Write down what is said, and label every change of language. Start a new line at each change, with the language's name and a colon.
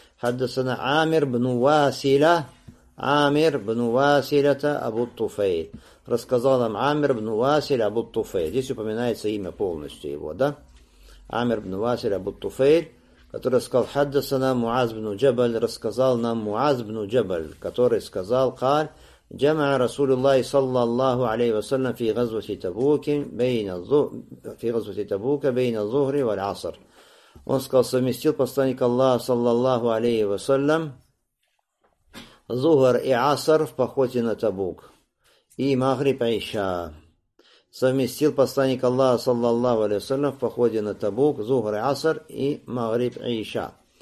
Russian: Хаддасана Амир бну Василя Абу Туфейль. Рассказал нам Амир бну Василя Абу Туфейль. Здесь упоминается имя полностью его, да? Амир бну Василя Абу Туфейль, который сказал Хаддасана Муаз бну Джабаль, рассказал нам Муаз бну Джабаль, который сказал Каль.
Arabic: جمع رسول الله صلى الله عليه وسلم في غزوة تبوك بين الظهر والعصر.
Russian: Он сказал, совместил посланник Аллаха
Arabic: صلى الله عليه وسلم
Russian: ظهر и عصر в походе на Табук и магриб и иша. Совместил посланник Аллаха
Arabic: صلى الله عليه وسلم
Russian: в походе на Табук ظهر и عصر и магриб и иша.